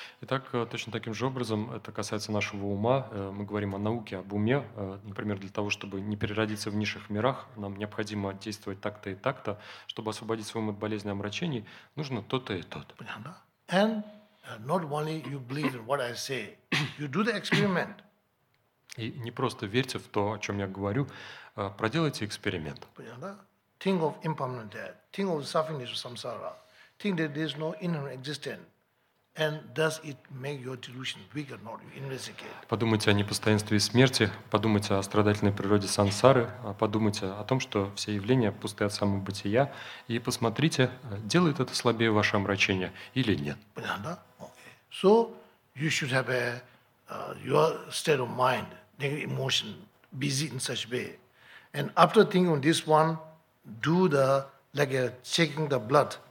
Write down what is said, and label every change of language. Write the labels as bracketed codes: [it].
[ru] Итак, точно таким же образом это касается нашего ума. Мы говорим о науке, об уме. Например, для того, чтобы не переродиться в низших мирах, нам необходимо действовать так-то и так-то. Чтобы освободить свой ум от болезни и омрачений, нужно то-то и то-то. Понятно? [en] And not only you believe in what I say, you do the experiment. [ru] И не просто верьте в то, о чем я говорю, проделайте эксперимент. [en] Понятно? Think of impermanent death. Think of suffering of samsara. Think that there is no inner existence, and does it make your delusion weaker? Not you investigate. [ru] Подумайте о непостоянстве смерти. Подумайте о страдательной природе сансары. Подумайте о том, что все явления пусты от самого бытия, и посмотрите, делает это слабее ваше омрачение или нет. Понятно? Okay. [en] So you should have your state of mind, negative emotion, busy in such way, and after thinking on this one, do the like checking the blood.